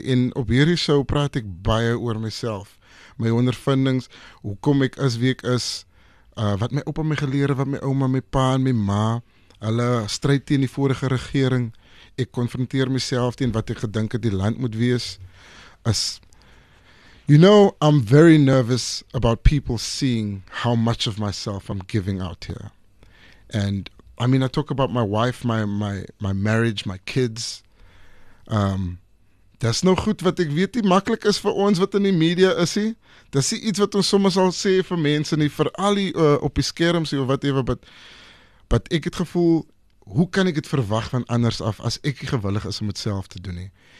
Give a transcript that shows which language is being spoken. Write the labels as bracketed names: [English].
[Afrikaans] En op hierdie show praat ek baie oor myself. My ondervindings, hoekom ek is wie ek is, wat my oupa my geleer het, wat my ouma, my pa en my ma, hulle stryd teen die vorige regering. Ek konfronteer myself teen wat ek gedink het die land moet wees. [English] You know, I'm very nervous about people seeing how much of myself I'm giving out here. And, I mean, I talk about my wife, my marriage, my kids. [Afrikaans] Dis nou goed wat ek weet nie maklik is vir ons wat in die media is. Dis iets wat ons soms al sê vir mense nie, vir al die op die skerms of whatever. But ek het gevoel, hoe kan ek het verwag van anders af as ek nie gewillig is om het self te doen nie.